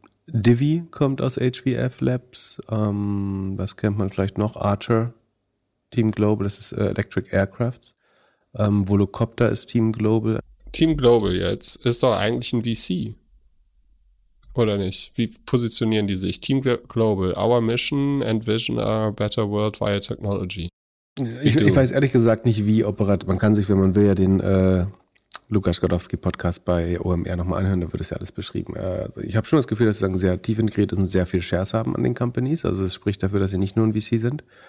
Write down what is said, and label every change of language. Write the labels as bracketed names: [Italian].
[German] Divi kommt aus HVF Labs. Was kennt man vielleicht noch? Archer, Team Global, das ist Electric Aircrafts. Volocopter ist Team Global. Team Global jetzt ist doch eigentlich ein VC. Oder nicht? Wie positionieren die sich? [English] Team Global, our mission and vision are a better world via technology. [German] Ich weiß ehrlich gesagt nicht, wie operativ. Man kann sich, wenn man will, ja den Lukas Godowski-Podcast bei OMR nochmal anhören, da wird es ja alles beschrieben. Ich habe schon das Gefühl, dass sie sagen, sehr tief integriert sind, sehr viel Shares haben an den Companies. Also es spricht dafür, dass sie nicht nur ein VC sind.